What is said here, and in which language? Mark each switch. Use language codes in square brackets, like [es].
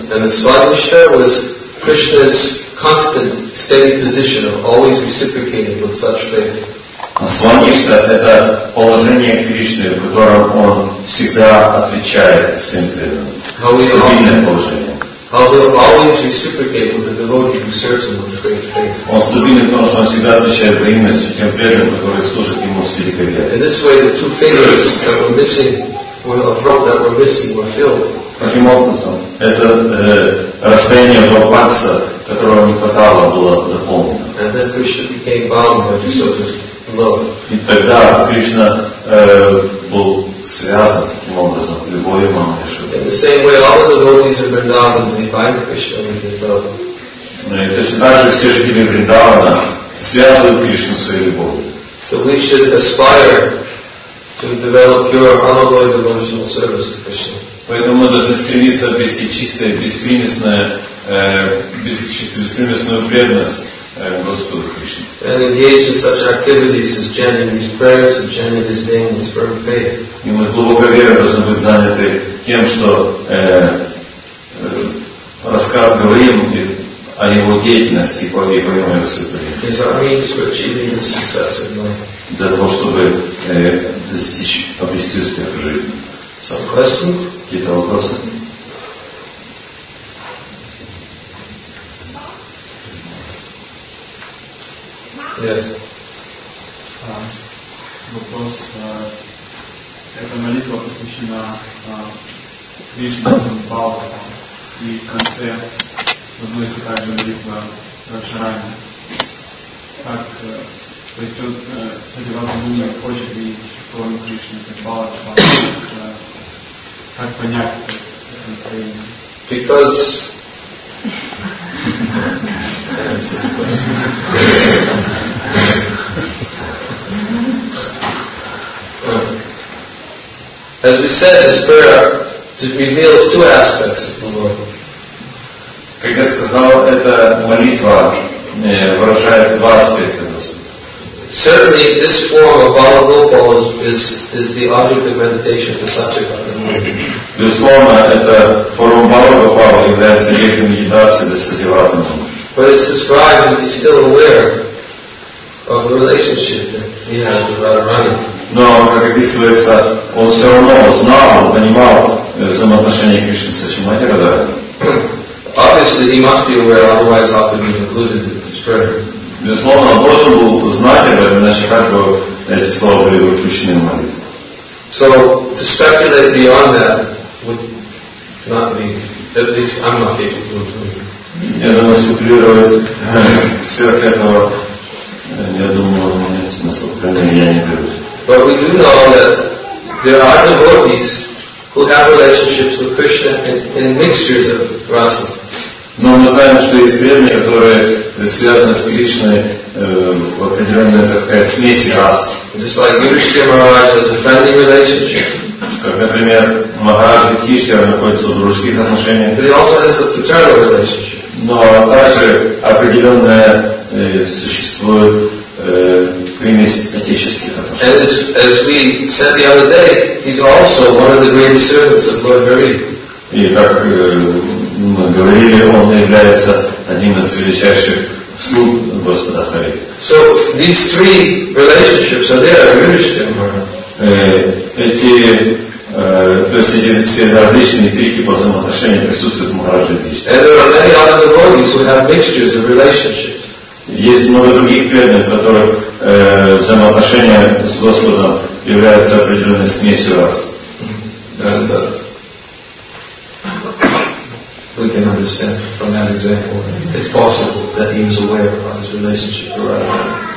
[en] And the Smandishta was Krishna's constant, steady position of always reciprocating with such faith. [ru] Смандишта — это положение Кришны, в котором он всегда отвечает своим преданным. Стабильное положение. [en] How he will always reciprocate with the devotee who serves him with great faith. [ru] Он стабилен, потому что он всегда отвечает взаимностью тем преданным, которые служат ему с великой верой. [en] In this way, the 2 fingers that were missing, were a rope that were missing, were filled. [ru] Таким образом, это расстояние до пальца, которого не хватало, было дополнено. [en] And then Krishna became bound by the soldier's love. [ru] И тогда Кришна был связан таким образом любовью Мамы Яшоды. [en] In the same way, all the devotees of Vrindavan, they bind Krishna with their love. [ru] Точно так же все жители Вриндавана связывают Кришну своей любовью. [en] So we should aspire to develop pure, unalloyed devotional service to Krishna. [ru] Поэтому мы должны стремиться обрести чистое, бескомпромиссную преданность Господу Кришне. [en] And engage in such activities as chanting these prayers and chanting His name with firm faith. [ru] И мы с глубокой верой должны быть заняты тем, что говорим о Его деятельности и поймем Его святой. [en] Is our means for achieving His success in life. [ru] Для того, чтобы достичь, обрести успех в жизни. [en] Some questions? [ru] Какие-то вопросы? [en] Yes. [ru] Вопрос. Эта молитва посвящена Кришне Балдхаме. И в конце возносится также молитва Радхарани. Так, то есть тут, кстати, Радхарани хочет видеть, что он Кришне, как Балдхаме. Как понять это настроение? [en] Because... As we said, this prayer reveals 2 aspects of the Lord. [ru] Как я сказал, эта молитва выражает 2 аспекта Господа. [en] Certainly, this form of Balagopala is the object of meditation for Satchikata. [ru] Безусловно, эта форма Балагопала является объектом медитации для Сативатамана. [en] But it's described that he's still aware of the relationship that he has with Radharani. [ru] Но, как описывается, он все равно знал, понимал взаимоотношения Кришны с этим Радхарадхарой. [en] Obviously, he must be aware, otherwise how could he have included it in his prayer? [ru] Безусловно, он должен был знать об этом, иначе как бы эти слова были включены в молитву. [en] So, to speculate beyond that would not be, at least I'm not able to include. [ru] Я думаю, спекулировать сверх этого, я думаю, нет смысла, по крайней мере, я не берусь. [en] But we do know that there are devotees who have relationships with Krishna in mixtures of rasa. [ru] Но мы знаем, что есть преданные, которые связаны с Кришной в определенной, так сказать, смеси рас. [en] Just like Yudhishthira Maharaj has a friendly relationship. [ru] Как, например, Махарадж и Кришна находятся в дружеских отношениях. [en] But he also has a paternal relationship. [ru] Но также определенное существует примесь отеческих отношений. [en] And as we said the other day, he's also one of the greatest servants of Lord Hari. [ru] И как мы говорили, он является одним из величайших слуг Господа Хари. [en] So these three relationships are there, Yudhishthira Maharaj. [ru] То есть все различные три типа взаимоотношений присутствуют в Махараджа и Кришне. [en] And there are many other devotees who have mixtures of relationships. [ru] Есть много других преданных, в которых взаимоотношения с Господом являются определенной смесью раз. [en] We can understand from that example that it's possible that he was aware of his relationship with Radharani.